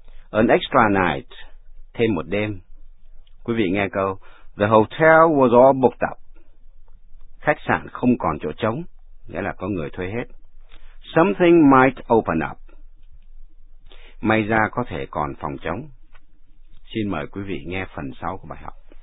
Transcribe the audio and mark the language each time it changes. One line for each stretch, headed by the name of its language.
English: An extra night,
Vietnamese: thêm một đêm. Quý vị nghe câu,
English: the hotel was all booked up.
Vietnamese: Khách sạn không còn chỗ trống, nghĩa là có người thuê hết.
English: Something might open up.
Vietnamese: May ra có thể còn phòng trống. Xin mời quý vị nghe phần sau của bài học.